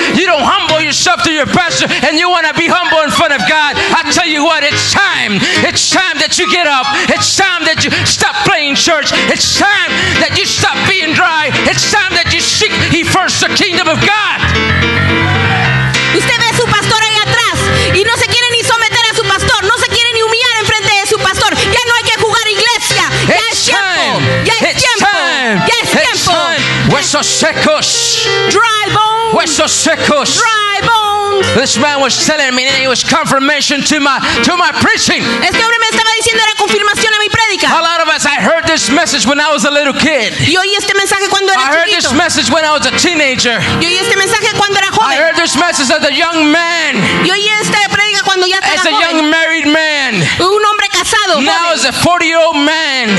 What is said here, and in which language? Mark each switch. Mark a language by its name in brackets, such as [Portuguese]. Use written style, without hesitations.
[English] You don't humble yourself to your pastor, and you want to be humble in front of God. I tell you what, it's time. It's time that you get up. It's time that you stop playing church. It's time that you stop being dry. It's time that you seek ye first the kingdom of God. [Spanish] Usted ve su pastor ahí atrás, y no se quiere ni someter a su pastor. No se quiere ni humillar en frente de su pastor. Ya no hay que jugar iglesia. Ya [English] it's [Spanish] es tiempo. [English] Time. [Spanish] Ya es [English] it's [Spanish] tiempo. Huesos secos. [English] Dry bones. [Spanish] Huesos secos. [English] Dry bones. This man was telling me that it was confirmation to my preaching. [Spanish] Este hombre me estaba diciendo era confirmación a mi prédica. [English] A lot of us, I heard this message when I was a little kid. [Spanish] Yo oí este mensaje cuando era [English] I heard this message when I was a teenager. [Spanish] Yo oí este mensaje cuando era joven. [English] I heard this message as a young man. [Spanish] Yo oí esta prédica cuando ya estaba [English] as a [Spanish] joven. [English] Young married man. [Spanish] Un hombre casado. [English] Now As a 40-year-old man.